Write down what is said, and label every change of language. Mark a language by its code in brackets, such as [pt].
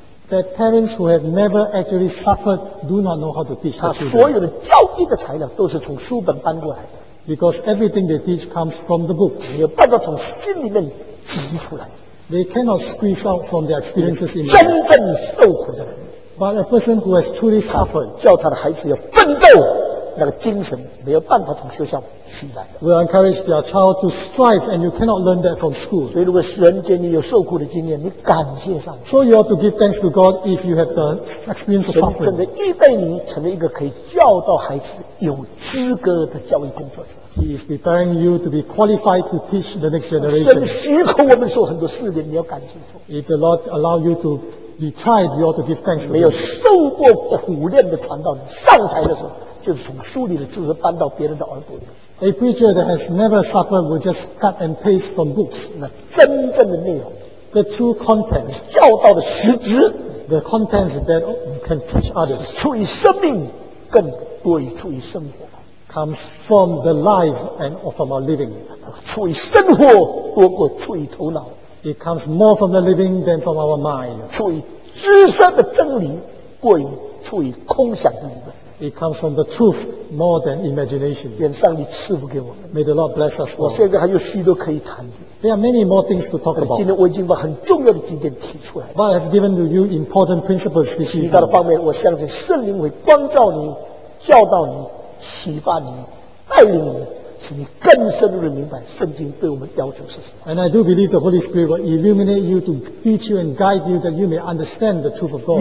[en] That parents who have never actually suffered do not know how to teach their children. [zh] 所有的教育的材料都是从书本搬过来的。 [en] Because everything they teach comes from the book. [zh] 没有办法从心里面挤出来。 [en] They cannot squeeze out from their experiences in life. [zh] 真正受苦的人。 [en] But a person who has truly suffered, [zh] 叫他的孩子要奋斗那个精神没有办法从学校取来的。 [en] We encourage their child to strive, and you cannot learn that from school. [zh] 所以，如果人给你有受苦的经验，你感谢上帝。 [en] So you have to give thanks to God if you have the experience of suffering. [zh] 神真的预备你成为一个可以教导孩子有资格的教育工作者。 [en] He is preparing you to be qualified to teach the next generation. [zh] 神许可我们做很多事情，你要感谢主。 [en] If the Lord allow you to be tried, you ought to give thanks. [zh] 没有受过苦练的传道，你上台的时候。就是从书里的知识搬到别人的耳朵里。 [en] A preacher that has never suffered will just cut and paste from books. [zh] 那真正的内容 [en] ，the true content， [zh] 教导的实质 [en] ，the contents that you can teach others， [zh] 出于生命，更多于出于生活 [en] ，comes from the life and from our living， [zh] 出于生活多过出于头脑 [en] ，it comes more from the living than from our mind， [zh] 出于知识的真理过于出于空想的理论。 [en] It comes from the truth more than imagination. [zh] 愿上帝赐福给我们。 [en] May the Lord bless us. [zh] 我现在还有许多可以谈的。 [en] There are many more things to talk about. [zh] 今天我已经把很重要的几点提出来了。 [en] But I have given to you important principles this evening. [zh] 其他的方面，我相信圣灵会光照你、教导你、启发你、带领你，使你更深入地明白圣经对我们要求是什么。 [en] And I do believe the Holy Spirit will illuminate you to teach you and guide you that you may understand the truth of God.